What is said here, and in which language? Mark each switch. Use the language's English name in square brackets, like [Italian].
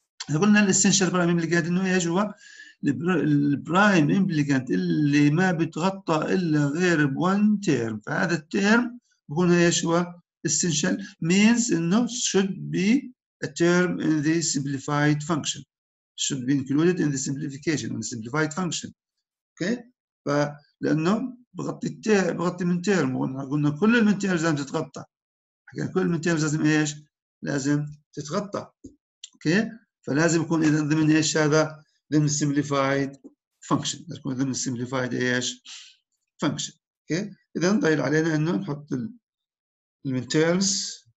[Arabic] اوكي قلنا الاسينشال برايم امبليكانت انه ايش هو؟ البرايم امبليكانت اللي ما بتغطى الا غير ب 1 تيرم، فهذا التيرم هنا ايش هو؟ اسينشال مينز انه [English] Should be a term in the simplified function. Should be included in the simplification, in the simplified function. Okay? [Arabic] فلأنه بغطي بغطي من تيرم، قلنا كل من تيرم لازم تتغطى. حكينا كل من تيرم لازم ايش؟ لازم تتغطى. Okay؟ فلازم يكون إذا ضمن ايش هذا؟ ضمن [English] simplified function. [Arabic] لازم يكون ضمن simplified ايش؟ function. Okay؟ إذا ضايل علينا إنه نحط المن تيرمز.